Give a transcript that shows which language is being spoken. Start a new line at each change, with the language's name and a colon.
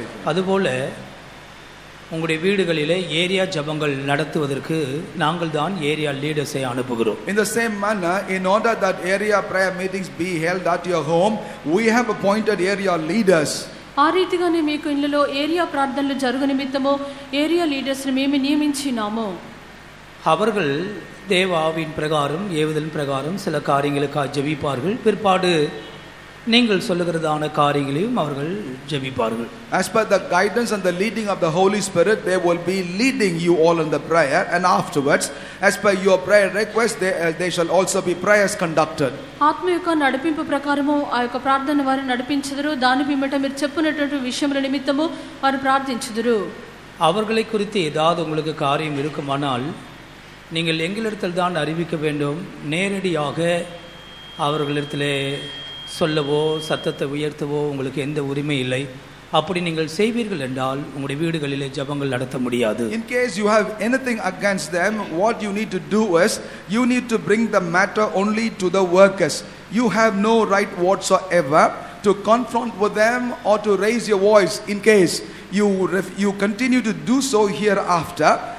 Tamil: அதுபோல உங்களுடைய வீடுகளிலே ஏரியா ஜபங்கள் நடத்துவதற்கு நாங்கள் தான் ஏரியா லீடர்ஸை அனுப்புகிறோம்.
English: In the same manner, in order that area prayer meetings be held at your home, we have appointed area leaders.
Telugu: ఆ రీతిగానే మీకు ఇళ్లలో ఏరియా ప్రార్థనలు జరుగు నిమిత్తము ఏరియా లీడర్స్ని మేము నియమించినాము.
Tamil: அவர்கள் தேவாவின் பிரகாரம் ஏவுதல் பிரகாரம் சில காரியங்களுக்காக ஜெபிப்பார்கள். பிற்பாடு நீங்கள் சொல்லுகிறதான காரியங்களையும் அவர்கள் ஜெபிப்பார்கள்.
English: As per the guidance and the leading of the Holy Spirit, they will be leading you all in the prayer and afterwards, as per your prayer request, they shall also be prayers conducted.
Telugu: ఆత్మిక నడిపింపు ప్రకారము ఆ యొక్క ప్రార్థన వారిని నడిపించుదురు. దాని బిమ్మట మీరు చెప్పినటువంటి విషయముల నిమిత్తము వారు ప్రార్థించుదురు.
Tamil: அவர்களை குறித்து ஏதாவது உங்களுக்கு காரியம் இருக்குமானால் நீங்கள் எங்களிடத்தில் தான் அறிவிக்க வேண்டும். நேரடியாக அவர்களிடத்திலே சொல்லவோ சத்தத்தை உயர்த்தவோ உங்களுக்கு எந்த உரிமை இல்லை. அப்படி நீங்கள் செய்வீர்கள் என்றால் உங்களுடைய வீடுகளிலே ஜபங்கள் நடத்த முடியாது.
English: In case you have anything against them, what you need to do is you need to bring the matter only to the workers. You have no right whatsoever to confront with them or to raise your voice. In case you continue to do so hereafter,